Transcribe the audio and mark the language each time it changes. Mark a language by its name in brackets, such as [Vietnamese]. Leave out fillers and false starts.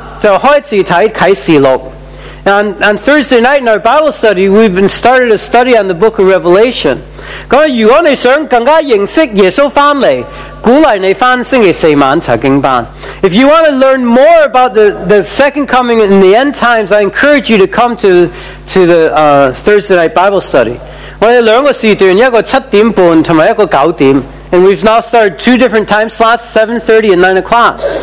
[Cantonese] 那我们星期四晚就开始看启示录。 [English] On Thursday night in our Bible study, we've been started a study on the book of Revelation. [Cantonese] 如果你想更加认识耶稣回来，鼓励你回星期四晚查经班。 [English] If you want to learn more about the second coming in the end times, I encourage you to come to the Thursday night Bible study. [Cantonese] 我们两个时段，一个7:30，同埋一个9:00。 [English] And we've now started two different time slots, 7:30 and 9 o'clock.